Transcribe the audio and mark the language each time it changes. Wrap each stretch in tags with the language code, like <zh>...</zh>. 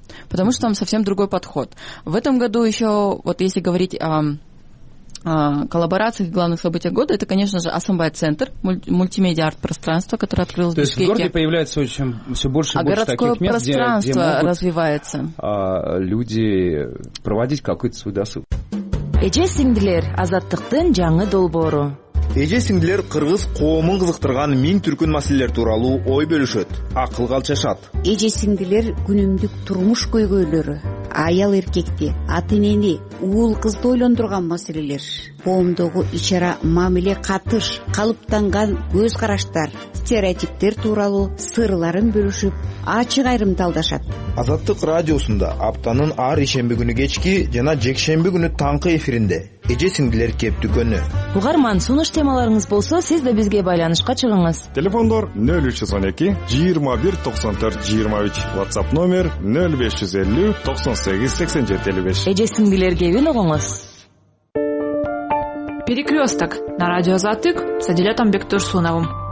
<ru>Потому что там совсем другой подход. В этом году еще, вот если говорить о коллаборациях и главных событиях года, это, конечно же, Асамбай-центр, мультимедиа-арт-пространство, которое открылось в Бишкеке. То есть в городе появляется все больше таких мест, где люди проводить какой-то свой досуг.</ru> <ky>Эже сиңдилер азаттыктын жаңы долбоору. Эже сиңдилер кыргыз коомун кызыктырган миң түркүн маселелер тууралуу ой бөлүшөт, акыл калчашат. Эже сиңдилер күнүмдүк турмуш көйгөйлөрү, аял эркекти, ата-энени, уул кызды ойлондурган маселелер, коомдогу ичара мамиле катыш, калыптанган көз караштар, стереотиптер тууралуу сырларын бөлүшүп, ачык айрымталдашат. Азаттык радиосунда аптанын ар ишемби күнү кечки жана жекшемби күнү таңкы эфиринде Эже сиңдилер кептүгөнү. Угарман, сунуш темаларыңыз болсо, сиз да бизге байланышка чыгыңыз. Телефондор 0312-21-94-23, WhatsApp номер 0550-98-87-55. Эже сиңдилерге үн угуңуз.</ky> <ru>Перекрёсток на радио Затык с Адилетом Бектурсуновым.</ru>